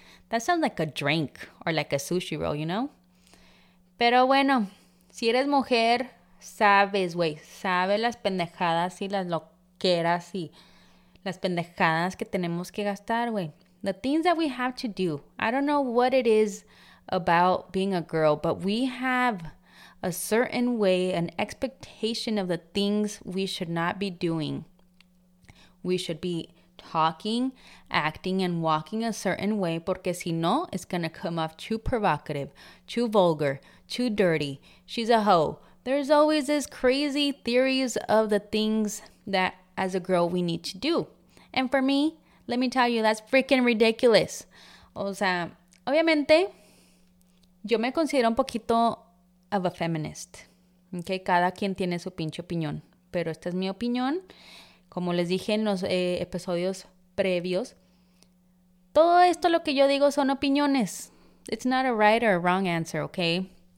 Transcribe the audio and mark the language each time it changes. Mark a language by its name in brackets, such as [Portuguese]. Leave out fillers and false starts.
[English] That sounds like a drink or like a sushi roll, you know? [Spanish] Pero bueno, si eres mujer, sabes, güey, sabes las pendejadas y las loqueras y las pendejadas que tenemos que gastar, güey. [English] The things that we have to do. I don't know what it is about being a girl, but we have a certain way, an expectation of the things we should not be doing. We should be talking, acting, and walking a certain way, [Spanish] porque si no, [English] it's gonna come off too provocative, too vulgar, too dirty. She's a hoe. There's always this crazy theories of the things that, as a girl, we need to do. And for me, let me tell you, that's freaking ridiculous. [Spanish] O sea, obviamente, yo me considero un poquito [English] of a feminist. [Spanish] Okay, cada quien tiene su pinche opinión, pero esta es mi opinión. Como les dije en los episodios previos, todo esto lo que yo digo son opiniones. [English] It's not a right or a wrong answer, okay?